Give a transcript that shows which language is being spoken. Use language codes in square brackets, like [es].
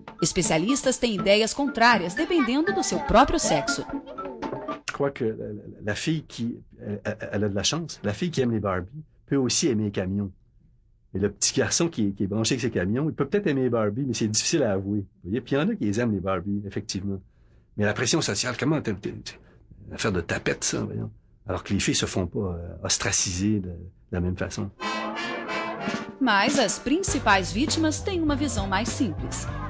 [pt] Especialistas têm ideias contrárias, dependendo do seu próprio sexo. [fr] Je crois que la fille qui elle a de la chance, la fille qui aime les Barbie peut aussi aimer les camions. Mais le petit garçon qui est branché avec ses camions, il peut peut-être aimer les Barbie, mais c'est difficile à avouer. Vous voyez? Puis il y en a qui les aiment les Barbie, effectivement. Mais la pression sociale, comment une affaire de tapette, ça, voyons? Alors que les filles se font pas ostraciser de la même façon. [pt] mas as principais vítimas têm uma visão mais simples.